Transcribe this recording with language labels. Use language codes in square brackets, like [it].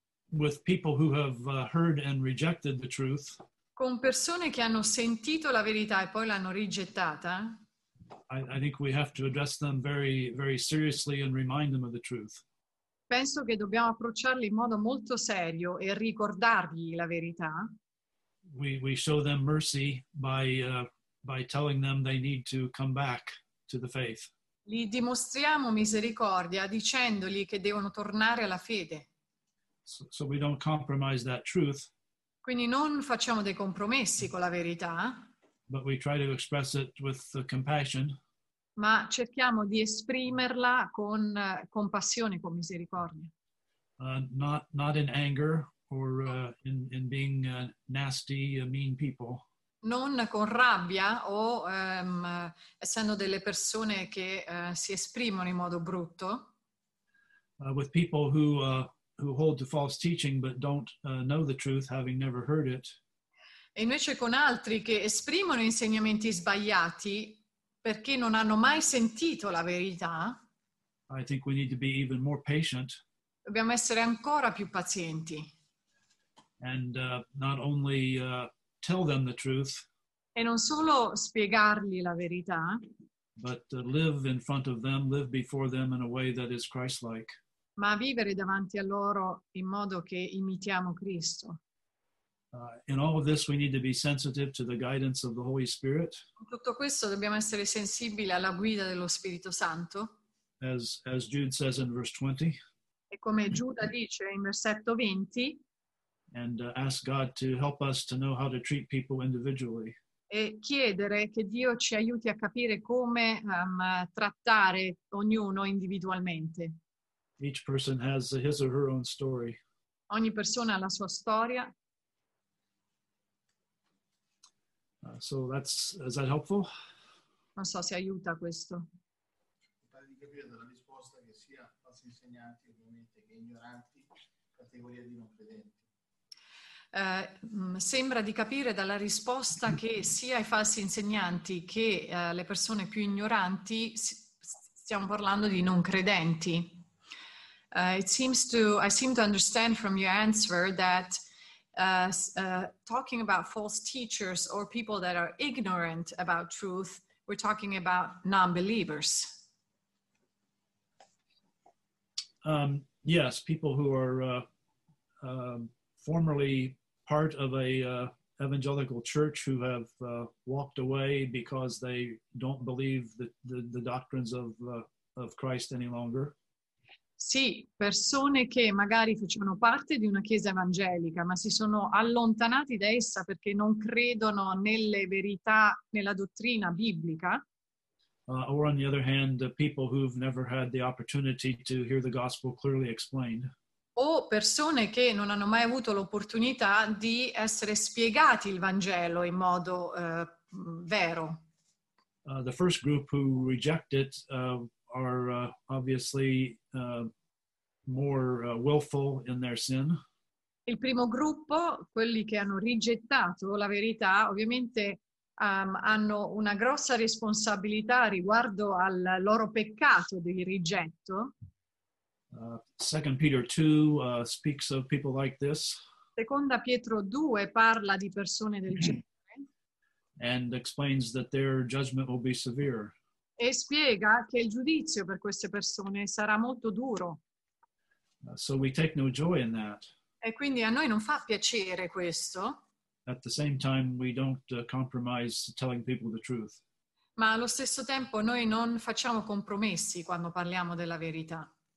[en] With people who have heard and rejected the truth. [it] Con persone che hanno sentito la verità e poi l'hanno rigettata. [en] I think we have to address them very, very seriously and remind them of the truth. [it] Penso che dobbiamo approcciarli in modo molto serio e ricordargli la verità. [en] We show them mercy by telling them they need to come back to the faith. [it] Gli dimostriamo misericordia dicendogli che devono tornare alla fede. [en] So we don't compromise that truth. [it] Quindi non facciamo dei compromessi con la verità. [en] But we try to express it with compassion. [it] Ma cerchiamo di esprimerla con compassione, con misericordia. [en] Not in anger or in being nasty, mean people. [it] Non con rabbia o essendo delle persone che si esprimono in modo brutto. [en] With people who hold to false teaching but don't know the truth, having never heard it. [it] E invece con altri che esprimono insegnamenti sbagliati perché non hanno mai sentito la verità. [en] I think we need to be even more patient. [it] Dobbiamo essere ancora più pazienti. [en] And not only tell them the truth. [it] E non solo spiegargli la verità. [en] But live in front of them, live before them in a way that is Christ-like. [it] Ma vivere davanti a loro in modo che imitiamo Cristo. [en] In all of this we need to be sensitive to the guidance of the Holy Spirit. [it] In tutto questo dobbiamo essere sensibili alla guida dello Spirito Santo. [en] As Jude says in verse 20. [it] E come Giuda dice in versetto 20. [en] And ask God to help us to know how to treat people individually. [it] E chiedere che Dio ci aiuti a capire come trattare ognuno individualmente. [en] Each person has his or her own story. [it] Ogni persona ha la sua storia. [en] So that's, is that helpful? [it] Non so se aiuta questo. Pare di capire dalla risposta che sia falsi insegnanti, ovviamente, che ignoranti, categoria di non credenti. Sembra di capire dalla risposta che sia i falsi insegnanti che le persone più ignoranti, stiamo parlando di non credenti. [en] I seem to understand from your answer that talking about false teachers or people that are ignorant about truth, we're talking about non-believers. Yes, people who are formerly part of a evangelical church who have walked away because they don't believe the doctrines of Christ any longer. [it] Sì, persone che magari facevano parte di una chiesa evangelica, ma si sono allontanati da essa perché non credono nelle verità, nella dottrina biblica. [en] Or on the other hand, people who've never had the opportunity to hear the gospel clearly explained. [it] O persone che non hanno mai avuto l'opportunità di essere spiegati il Vangelo in modo vero. [en] The first group who reject it are obviously more willful in their sin. [it] Il primo gruppo, quelli che hanno rigettato la verità, ovviamente hanno una grossa responsabilità riguardo al loro peccato di rigetto. [en] Second Peter 2 speaks of people like this. [it] Seconda Pietro 2 parla di persone del genere. [en] And explains that their judgment will be severe. [it] E spiega che il giudizio per queste persone sarà molto duro. [en] So we take no joy in that. [it] E quindi a noi non fa piacere questo. [en] At the same time we don't compromise telling people the truth. [it] Ma allo stesso tempo noi non facciamo compromessi quando parliamo della verità.